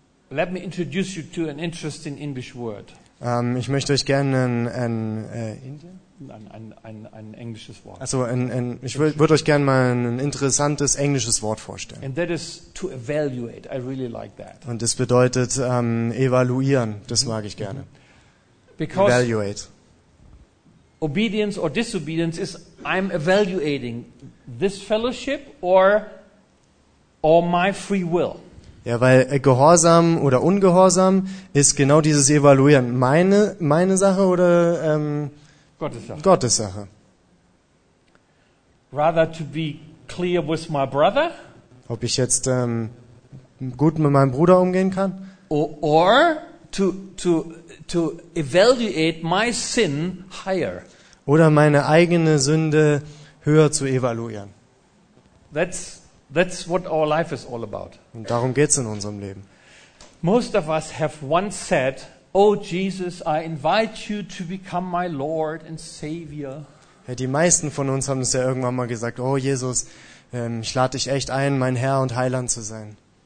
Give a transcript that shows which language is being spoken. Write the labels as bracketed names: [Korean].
[English] Let me introduce you to an interesting English word. [German] Ich möchte euch gerne ein englisches Wort. Also ich würde euch gerne mal ein interessantes englisches Wort vorstellen. [English] And that is to evaluate. I really like that. [German] Und das bedeutet evaluieren. Das mag ich gerne. [English] Because evaluate. Obedience or disobedience is I'm evaluating this fellowship or my free will. [German] Ja, weil Gehorsam oder Ungehorsam ist genau dieses Evaluieren. Meine Sache oder Gottes Sache. [English] Rather to be clear with my brother. [German] Ob ich jetzt gut mit meinem Bruder umgehen kann. [English] Or to evaluate my sin higher. [German] Oder meine eigene Sünde höher zu evaluieren. [English] That's what our life is all about. [German] Und darum geht's in unserem Leben. [English] Most of us have once said, "Oh Jesus, I invite you to become my Lord and Savior." [German] Ja, die meisten von uns haben es ja irgendwann mal gesagt: "Oh Jesus, ich lade dich echt ein, mein Herr und Heiland zu sein."